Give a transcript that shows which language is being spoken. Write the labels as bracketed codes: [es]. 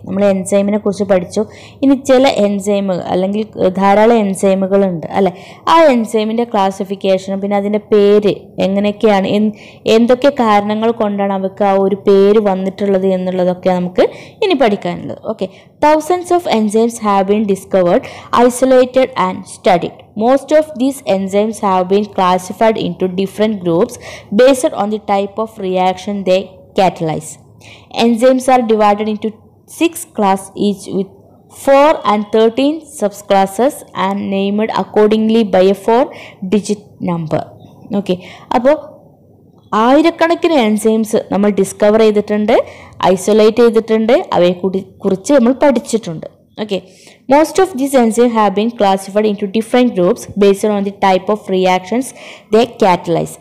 [ml] നമ്മൾ എൻസൈമിനെ കുറിച്ച് പഠിച്ചു. ഇനി ചില എൻസൈമുകൾ, അല്ലെങ്കിൽ ധാരാളം എൻസൈമുകളുണ്ട്, അല്ലേ? ആ എൻസൈമിൻ്റെ ക്ലാസിഫിക്കേഷനും, പിന്നെ അതിൻ്റെ പേര് എങ്ങനെയൊക്കെയാണ്, എന്തൊക്കെ കാരണങ്ങൾ കൊണ്ടാണ് അവർക്ക് ആ ഒരു പേര് വന്നിട്ടുള്ളത് എന്നുള്ളതൊക്കെ നമുക്ക് ഇനി പഠിക്കാനുള്ളത്. [en] Okay, thousands of enzymes have been discovered, isolated and studied. Most of these enzymes have been classified into different groups based on the type of reaction they catalyze. Enzymes are divided into 6 class each with 4 and 13 subclasses and named accordingly by a 4-digit number. Okay. [ml] Appo ആയിരക്കണക്കിന് enzymes നമ്മൾ discover ചെയ്തിട്ടുണ്ട്, isolate ചെയ്തിട്ടുണ്ട്, അവയെ കുറിച്ച് നമ്മൾ പഠിച്ചിട്ടുണ്ട്. [en] Okay, most of these enzyme have been classified into different groups based on the type of reactions the catalyse.